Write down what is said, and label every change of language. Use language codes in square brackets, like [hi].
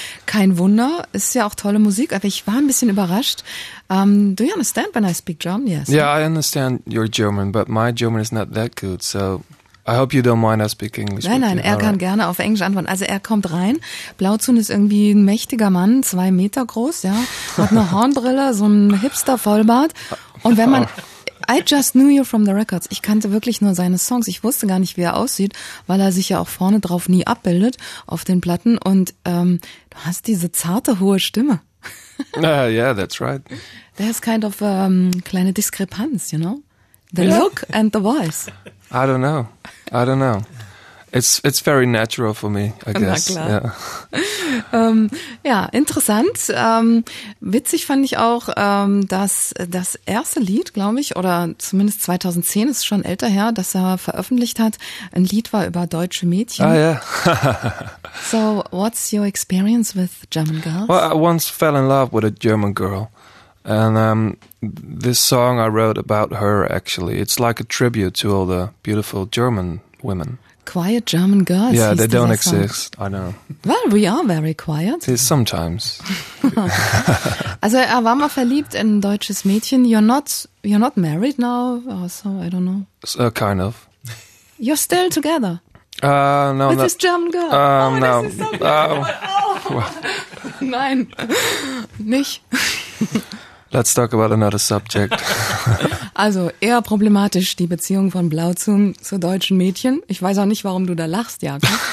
[de] Kein Wunder, ist ja auch tolle Musik, aber ich war ein bisschen überrascht. [en] Do you understand when I speak German? Yes. Yeah, I understand your German, but my German is not that good, so I hope you don't mind I speak English. [de] Nein, er kann gerne auf Englisch antworten. Also er kommt rein, Blauzun ist irgendwie ein mächtiger Mann, 2 Meter groß, ja, hat eine Hornbrille, so ein Hipster-Vollbart und wenn man... [en] I just knew you from the records. [de] Ich kannte wirklich nur seine Songs. Ich wusste gar nicht, wie er aussieht, weil er sich ja auch vorne drauf nie abbildet auf den Platten. Und du hast diese zarte, hohe Stimme. [en] Yeah, that's right. There's kind of a [de] kleine Diskrepanz, [en] you know? The look and the voice. I don't know. It's very natural for me, I guess. [de] Na klar. Yeah. Interessant. Witzig fand ich auch, dass das erste Lied, glaube ich, oder zumindest 2010, ist schon älter her, dass er veröffentlicht hat, ein Lied war über deutsche Mädchen. [en] Ah, yeah. So, what's your experience with German girls? Well, I once fell in love with a German girl. And this song I wrote about her, actually, it's like a tribute to all the beautiful German women. Quiet German girls. Yeah, they don't exist. I know. Well, we are very quiet. Sometimes. [de] Also, er war mal verliebt in ein deutsches Mädchen. [en] You're not married now, or so, I don't know. So, kind of. You're still together. No. With this German girl. No. [de] Nein, nicht. [en] Let's talk about another subject. [de] Also eher problematisch die Beziehung von Blauzun zu deutschen Mädchen. Ich weiß auch nicht, warum du da lachst, Jakob.